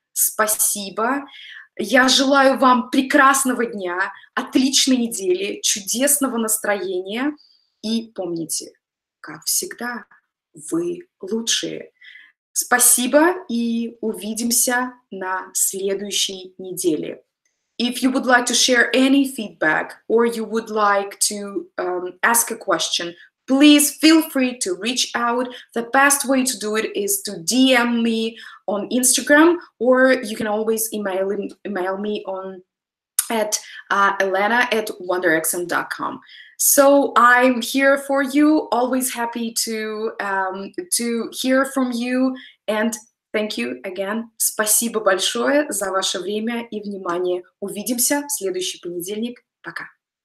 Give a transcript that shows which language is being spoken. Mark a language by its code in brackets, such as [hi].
[ru] Спасибо. Я желаю вам прекрасного дня, отличной недели, чудесного настроения. И помните, как всегда, вы лучшие. Спасибо и увидимся на следующей неделе. [en] If you would like to share any feedback or you would like to ask a question, please feel free to reach out. The best way to do it is to DM me on Instagram, or you can always email me on at elena@wonderxm.com. So I'm here for you, always happy to hear from you, and thank you again. [ru] Спасибо большое за ваше время и внимание. Увидимся в следующий понедельник. Пока.